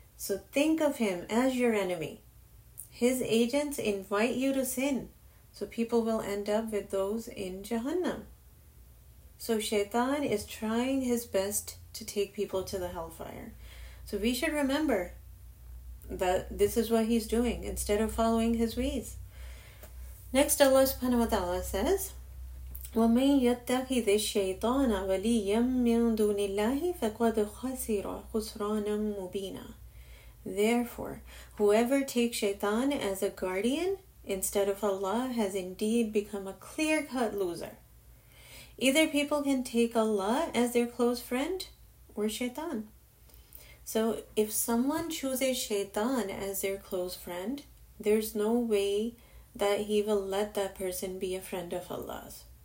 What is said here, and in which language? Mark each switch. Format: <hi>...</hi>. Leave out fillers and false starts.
<en>So think of him as your enemy. His agents invite you to sin. So people will end up with those in Jahannam. So Shaitan is trying his best to take people to the hellfire. So we should remember that this is what he's doing instead of following his ways. Next, Allah subhanahu wa ta'ala says,</en> <ar>وَمَنْ يَتَّخِذِ الشَّيْطَانَ وَلِيًّا مِّن دُونِ اللَّهِ فَقَدْ خَسِرَ خُسْرَانًا مُبِينًا.</ar> <en>Therefore, whoever takes Shaitan as a guardian instead of Allah has indeed become a clear-cut loser. Either people can take Allah as their close friend or Shaitan. So if someone chooses Shaitan as their close friend, there's no way that he will let that person be a friend of Allah's.</en>